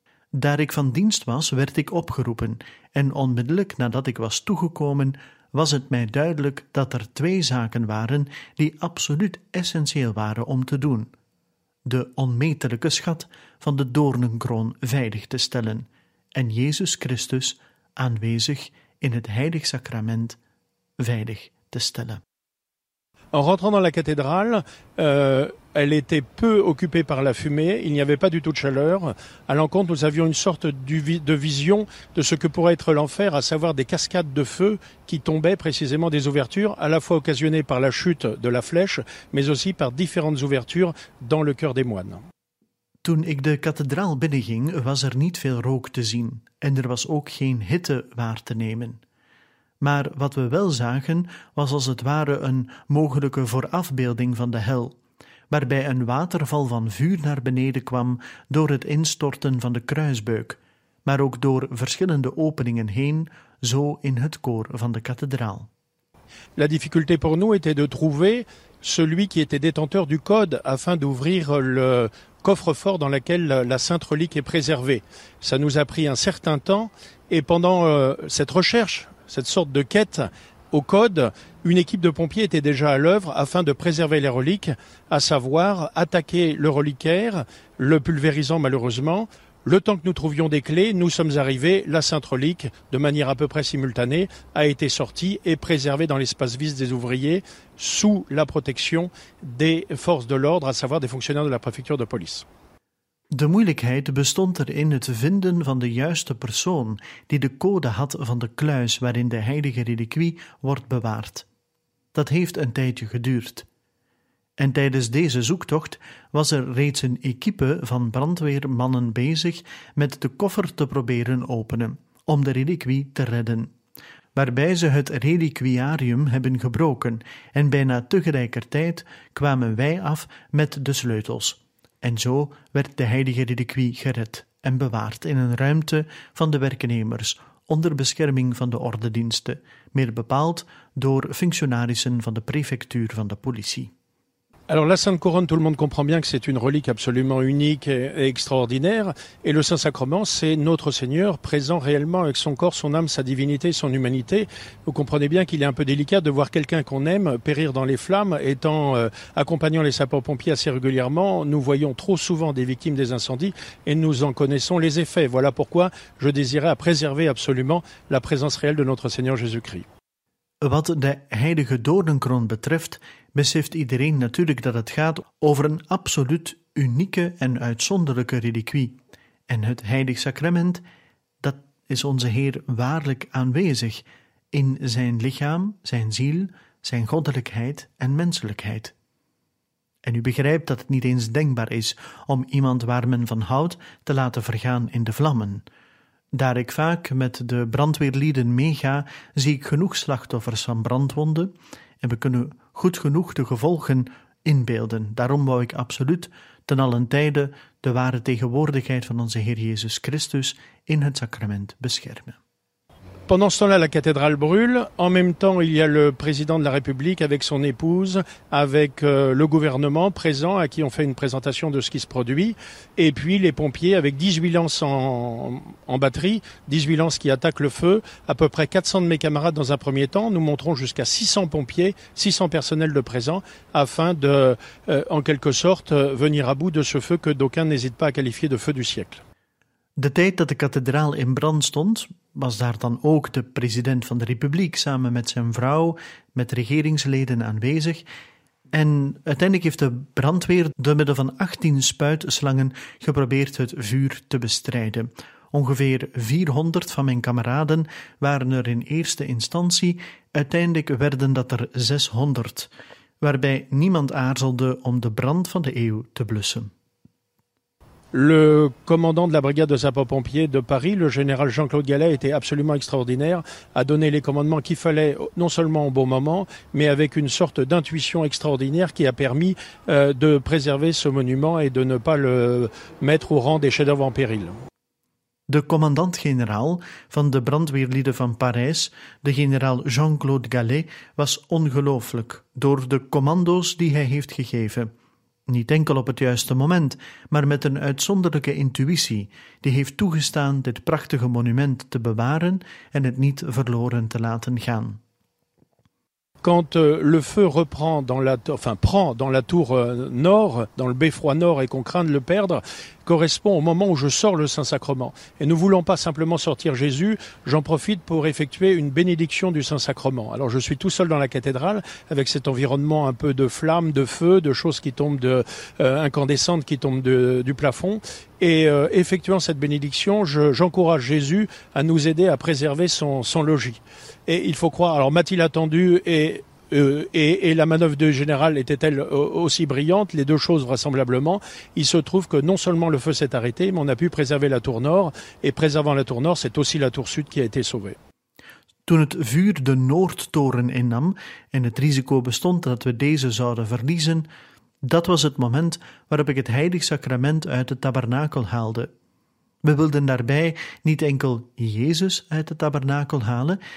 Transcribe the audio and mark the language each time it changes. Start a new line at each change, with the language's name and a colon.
Dutch: Daar ik van dienst was, werd ik opgeroepen en onmiddellijk nadat ik was toegekomen, was het mij duidelijk dat er twee zaken waren die absoluut essentieel waren om te doen. De onmetelijke schat van de doornenkroon veilig te stellen en Jezus Christus, aanwezig in het heilig sacrament, veilig te stellen.
French: En rentrant dans la cathédrale, elle était peu occupée par la fumée, il n'y avait pas du tout de chaleur. À l'encontre, nous avions une sorte de vision de ce que pourrait être l'enfer, à savoir des cascades de feu qui tombaient précisément des ouvertures, à la fois occasionnées par la chute de la flèche, mais aussi par différentes ouvertures dans le cœur des moines.
Dutch: Toen ik de kathedraal binnenging, was er niet veel rook te zien en er was ook geen hitte waar te nemen. Maar wat we wel zagen, was als het ware een mogelijke voorafbeelding van de hel, waarbij een waterval van vuur naar beneden kwam door het instorten van de kruisbeuk, maar ook door verschillende openingen heen, zo in het koor van de kathedraal.
French: La difficulté pour nous était de trouver celui qui était détenteur du code afin d'ouvrir le coffre-fort dans lequel la sainte relique est préservée. Ça nous a pris un certain temps et pendant cette recherche, cette sorte de quête au code, une équipe de pompiers était déjà à l'œuvre afin de préserver les reliques, à savoir attaquer le reliquaire, le pulvérisant malheureusement. Le temps que nous trouvions des clés, nous sommes arrivés, la sainte relique, de manière à peu près simultanée, a été sortie et préservée dans l'espace vide des ouvriers sous la protection des forces de l'ordre, à savoir des fonctionnaires de la préfecture de police.
Dutch: De moeilijkheid bestond erin het vinden van de juiste persoon die de code had van de kluis waarin de heilige reliquie wordt bewaard. Dat heeft een tijdje geduurd. En tijdens deze zoektocht was er reeds een equipe van brandweermannen bezig met de koffer te proberen openen om de reliquie te redden, waarbij ze het reliquiarium hebben gebroken en bijna tegelijkertijd kwamen wij af met de sleutels. En zo werd de heilige reliquie gered en bewaard in een ruimte van de werknemers onder bescherming van de ordendiensten, meer bepaald door functionarissen van de prefectuur van de politie.
French: Alors la Sainte Couronne, tout le monde comprend bien que c'est une relique absolument unique et extraordinaire. Et le Saint-Sacrement, c'est notre Seigneur présent réellement avec son corps, son âme, sa divinité, son humanité. Vous comprenez bien qu'il est un peu délicat de voir quelqu'un qu'on aime périr dans les flammes. Étant accompagnant les sapeurs-pompiers assez régulièrement, nous voyons trop souvent des victimes des incendies et nous en connaissons les effets. Voilà pourquoi je désirais préserver absolument la présence réelle de notre Seigneur Jésus-Christ.
Dutch: Wat de heilige doornenkroon betreft, beseft iedereen natuurlijk dat het gaat over een absoluut unieke en uitzonderlijke reliquie. En het heilig sacrament, dat is onze Heer waarlijk aanwezig in zijn lichaam, zijn ziel, zijn goddelijkheid en menselijkheid. En u begrijpt dat het niet eens denkbaar is om iemand waar men van houdt te laten vergaan in de vlammen. Daar ik vaak met de brandweerlieden meega, zie ik genoeg slachtoffers van brandwonden en we kunnen goed genoeg de gevolgen inbeelden. Daarom wou ik absoluut ten allen tijde de ware tegenwoordigheid van onze Heer Jezus Christus in het sacrament beschermen.
French: Pendant ce temps-là, la cathédrale brûle. En même temps, il y a le président de la République avec son épouse, avec le gouvernement présent à qui on fait une présentation de ce qui se produit. Et puis les pompiers avec 18 lances en batterie, 18 lances qui attaquent le feu. À peu près 400 de mes camarades dans un premier temps. Nous monterons jusqu'à 600 pompiers, 600 personnels de présent afin de, en quelque sorte, venir à bout de ce feu que d'aucuns n'hésitent pas à qualifier de feu du siècle.
Dutch: De tijd dat de kathedraal in brand stond, was daar dan ook de president van de Republiek samen met zijn vrouw, met regeringsleden aanwezig. En uiteindelijk heeft de brandweer door middel van 18 spuitslangen geprobeerd het vuur te bestrijden. Ongeveer 400 van mijn kameraden waren er in eerste instantie, uiteindelijk werden dat er 600, waarbij niemand aarzelde om de brand van de eeuw te blussen.
French: Le commandant de la brigade de sapeurs-pompiers de Paris, le général Jean-Claude Gallet, était absolument extraordinaire, a donné les commandements qu'il fallait, non seulement au bon moment, mais avec une sorte d'intuition extraordinaire qui a permis de préserver ce monument et de ne pas le mettre au rang des chefs-d'œuvre en péril.
Dutch: De commandant-général van de brandweerlieden van Parijs, de generaal Jean-Claude Gallet, was ongelooflijk door de commando's die hij heeft gegeven. Niet enkel op het juiste moment, maar met een uitzonderlijke intuïtie, die heeft toegestaan dit prachtige monument te bewaren en het niet verloren te laten gaan.
French: Quand le feu reprend dans la, enfin, prend dans la tour nord, dans le beffroi nord, et qu'on craint de le perdre, correspond au moment où je sors le Saint-Sacrement. Et nous ne voulons pas simplement sortir Jésus, j'en profite pour effectuer une bénédiction du Saint-Sacrement. Alors je suis tout seul dans la cathédrale, avec cet environnement un peu de flammes, de feu, de choses qui tombent, incandescentes qui tombent du plafond. Et effectuant cette bénédiction, j'encourage Jésus à nous aider à préserver son logis. Et il faut croire, alors m'a-t-il attendu et la manœuvre du général était-elle aussi brillante? Les deux choses vraisemblablement. Il se trouve que non seulement le feu s'est arrêté, mais on a pu préserver la tour nord. Et préservant la tour nord, c'est aussi la tour sud qui a été sauvée.
Dutch: Toen het vuur de Noordtoren innam en het risico bestond dat we deze zouden verliezen, dat was het moment waarop ik het heilig sacrament uit de tabernakel haalde. We wilden daarbij niet enkel Jezus uit de tabernakel halen.